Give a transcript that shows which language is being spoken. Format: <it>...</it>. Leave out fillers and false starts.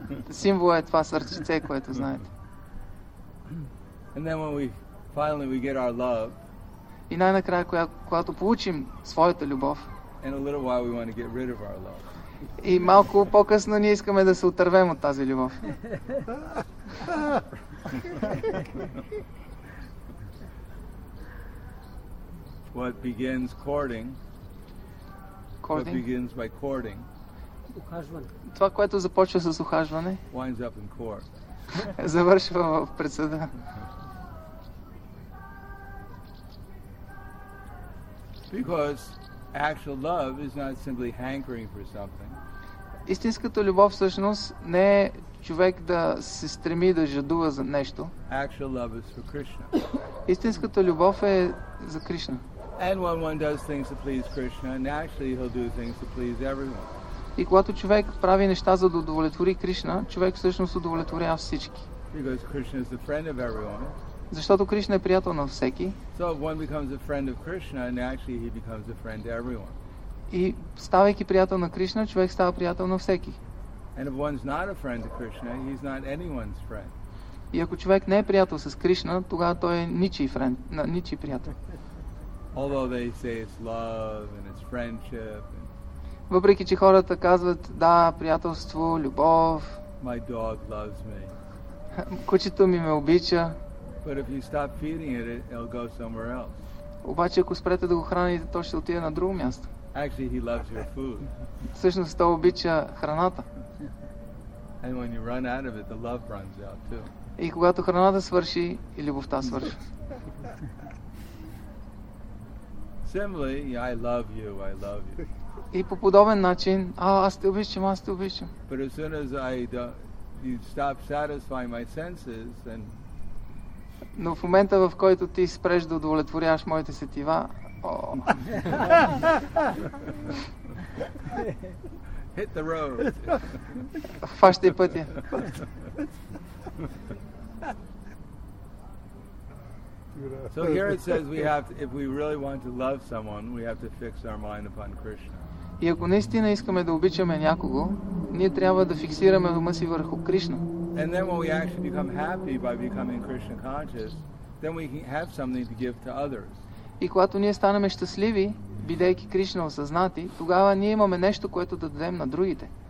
<bg>Символ е това сърце, което знаете.</bg> <en>And then when we finally we get our love.</en> <bg>И най-накрая, когато получим своята любов.</bg> <en>And a little while we want to get rid of our love.</en> <bg>И малко по-късно ние искаме да се отървем от тази любов.</bg> <en>What begins courting? Courting. What begins by courting?</en> <bg>Ухажване. Това, което започва с ухажване,</bg> <en>winds up in court.</en> <bg>Завършва в пресъда.</bg> <en>Because actual love is not simply hankering for something.</en> <bg>Истинската любов всъщност не е човек да се стреми да жадува за нещо.</bg> <en>Actual love is for Krishna.</en> <bg>Истинската любов е за Кришна.</bg> <en>And when one does things to please Krishna, naturally he'll do things to please everyone.</en> <bg>И когато човек прави неща за да удовлетвори Кришна, човек всъщност удовлетворява всички.</bg> <en>Because Krishna is the friend of everyone.</en> <bg>Защото Кришна е приятел на всеки.</bg> <en>So if one becomes a friend of Krishna, naturally he becomes a friend to everyone.</en> <bg>И ставайки приятел на Кришна, човек става приятел на всеки.</bg> <en>And if one's not a friend to Krishna, he's not anyone's friend.</en> <bg>И ако човек не е приятел с Кришна, тогава той е ничий friend, ничий приятел.</bg> <en>Although they say it's love and it's friendship.</en> <bg>Въпреки че хората казват да, приятелство, любов.</bg> <en>My dog loves me.</en> <bg>Кучето ми ме обича.</bg> <en>But if you stop feeding it, it'll go somewhere else.</en> <bg>Обаче ако спрете да го храните, то ще отиде на друго място.</bg> <en>Actually, he loves your food.</en> <bg>Всъщност той обича храната.</bg> <en>And when you run out of it, the love runs out too.</en> <bg>И когато храната свърши, и любовта свършва.</bg> <en>Similarly, I love you, I love you.</en> <bg>И по подобен начин, аз те обичам, аз те обичам.</bg> <en>But as soon as you stop satisfying my senses, then...</en> <bg>Но в момента, в който ти спреш да удовлетворяваш моите сетива,</bg> <en>Hit the road.</en> <bg>Фащай пътя.</bg> <en>So here it says we have to, if we really want to love someone, we have to fix our mind upon Krishna.</en> <bg>И ако наистина искаме да обичаме някого, ние трябва да фиксираме ума си върху Кришна.</bg> <en>And then when we actually become happy by becoming Krishna conscious, then we have something to give to others.</en> <bg>И когато ние станем щастливи, бидейки Кришна осъзнати, тогава ние имаме нещо, което да дадем на другите.</bg>